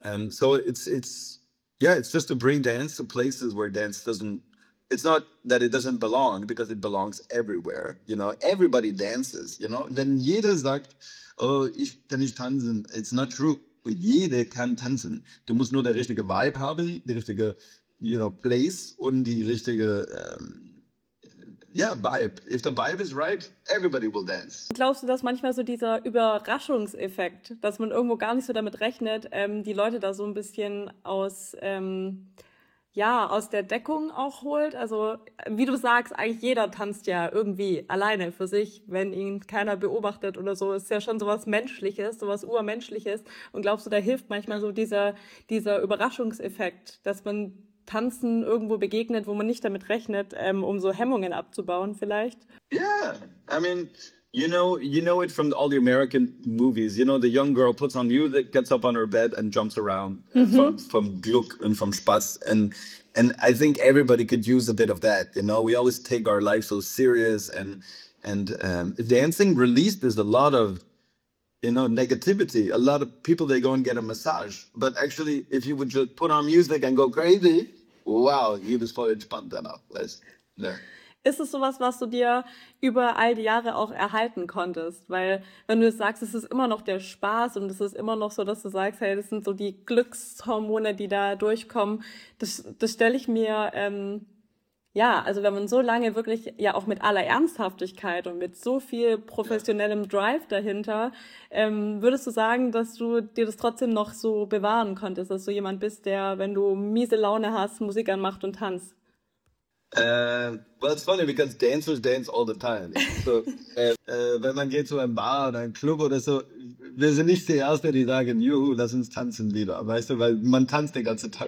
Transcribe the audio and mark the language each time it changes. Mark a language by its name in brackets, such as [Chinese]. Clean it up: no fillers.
[English] So it's just to bring dance to places where dance doesn't. It's not that it doesn't belong, because it belongs everywhere. You know, everybody dances, you know. [German] Denn jeder sagt, oh, ich kann nicht tanzen. [English] It's not true. [German] Jeder kann tanzen. Du musst nur der richtige Vibe haben, die richtige, you know, place und die richtige, Vibe. [English] If the vibe is right, everybody will dance. [German] Glaubst du, dass manchmal so dieser Überraschungseffekt, dass man irgendwo gar nicht so damit rechnet, die Leute da so ein bisschen aus ja, aus der Deckung auch holt. Also, wie du sagst, eigentlich jeder tanzt ja irgendwie alleine für sich, wenn ihn keiner beobachtet oder so. Ist ja schon sowas Menschliches, sowas Urmenschliches. Und glaubst du, da hilft manchmal so dieser Überraschungseffekt, dass man Tanzen irgendwo begegnet, wo man nicht damit rechnet, um so Hemmungen abzubauen vielleicht? [English] I mean, you know it from all the American movies. You know, the young girl puts on music, gets up on her bed and jumps around from Glück and from Spaß. And I think everybody could use a bit of that. You know, we always take our life so serious, and dancing releases a lot of, you know, negativity. A lot of people, they go and get a massage. But actually, if you would just put on music and go crazy, wow, you just [German] voll entspannt danach. Ist es sowas, was du dir über all die Jahre auch erhalten konntest? Weil wenn du sagst, es ist immer noch der Spaß und es ist immer noch so, dass du sagst, hey, das sind so die Glückshormone, die da durchkommen. Das stelle ich mir, ja, also wenn man so lange wirklich ja auch mit aller Ernsthaftigkeit und mit so viel professionellem Drive dahinter, würdest du sagen, dass du dir das trotzdem noch so bewahren konntest, dass du jemand bist, der, wenn du miese Laune hast, Musik anmacht und tanzt? [English] Well, it's funny because dancers dance all the time. You know? [German] So, wenn man geht zu einem Bar oder einem Club oder so, wir sind nicht die Erste, die sagen, juhu, lass uns tanzen wieder. Weißt du, weil man tanzt den ganzen Tag.